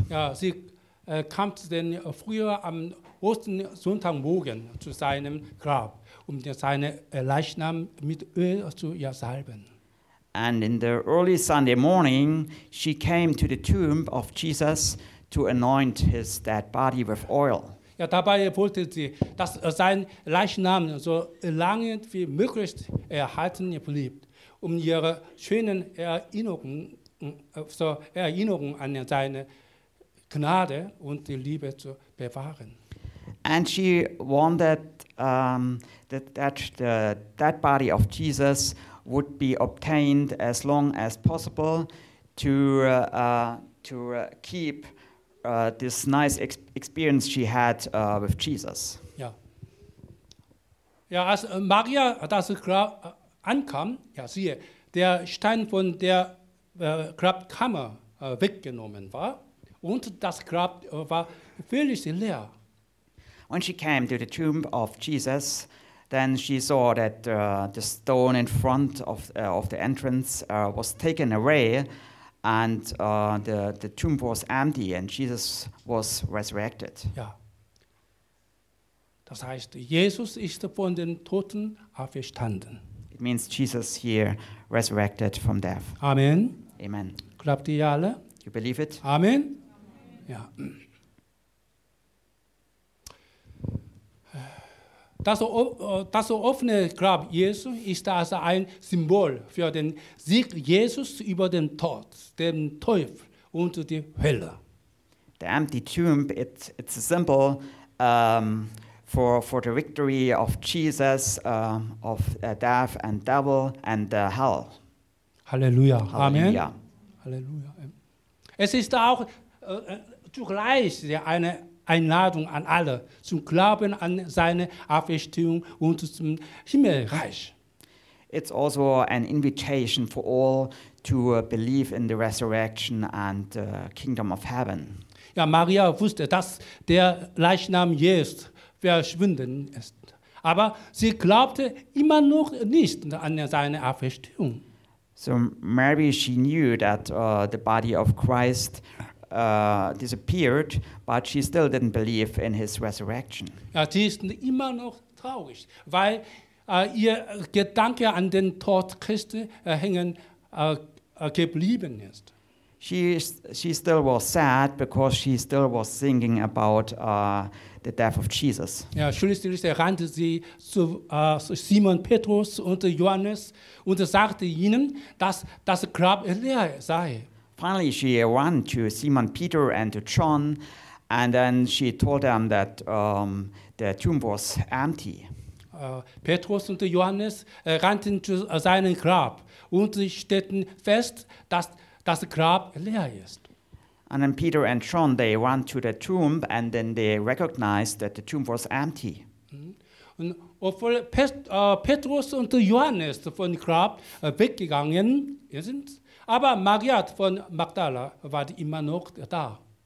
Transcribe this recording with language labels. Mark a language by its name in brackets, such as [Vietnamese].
[German] Ja, sie kam dann früher am Ostersonntagmorgen zu seinem Grab, um seine Leichnam mit Öl zu salben. [English] And in the early Sunday morning, she came to the tomb of Jesus to anoint his dead body with oil. [German] Ja, dabei wollte sie, dass sein Leichnam so lange wie möglich erhalten blieb, um ihre schönen Erinnerungen an seine Gnade und die Liebe zu bewahren. [English] And she wanted that the dead body of Jesus would be obtained as long as possible to keep this nice experience she had with Jesus. [German] Ja. Ja, als Maria das Grab ankam, ja, siehe, der Stein von der Grabkammer weggenommen war und das Grab war völlig leer. [English] When she came to the tomb of Jesus, then she saw that the stone in front of the entrance was taken away, and the tomb was empty, and Jesus was resurrected. [German] Ja. Das heißt, Jesus ist von den Toten auferstanden. [English] It means Jesus here resurrected from death. Amen. Amen. [German] Glaubt ihr alle? [English] You believe it? [German] Amen. Ja. Das offene Grab Jesu ist also ein Symbol für den Sieg Jesus über den Tod, den Teufel und die Hölle. [English] The empty tomb, it's a symbol for the victory of Jesus of death and devil and the hell. Halleluja. Amen. Halleluja. [German] Es ist auch zugleich eine Einladung an alle zum Glauben an seine Auferstehung und zum Himmelreich. [English] It's also an invitation for all to believe in the resurrection and the kingdom of heaven. [German] Ja, Maria wusste, dass der Leichnam Jesu verschwunden ist, aber sie glaubte immer noch nicht an seine Auferstehung. [English] So Mary, she knew that the body of Christ disappeared, but she still didn't believe in his resurrection. [German] Ja, sie ist immer noch traurig, weil ihr Gedanke an den Tod Christi hängen geblieben ist. [English] She still was sad because she still was thinking about the death of Jesus. [German] Ja, schließlich rannte sie zu Simon Petrus und Johannes und sagte ihnen, dass das Grab leer sei. [English] Finally, she ran to Simon Peter and to John, and then she told them that the tomb was empty. [German] Petrus und Johannes rannten zu seinem Grab und stellten fest, dass das Grab leer ist. [English] And then Peter and John, they ran to the tomb, and then they recognized that the tomb was empty. [German] Und obwohl Petrus und Johannes von Grab weggegangen sind, aber Maria von Magdala war immer noch da.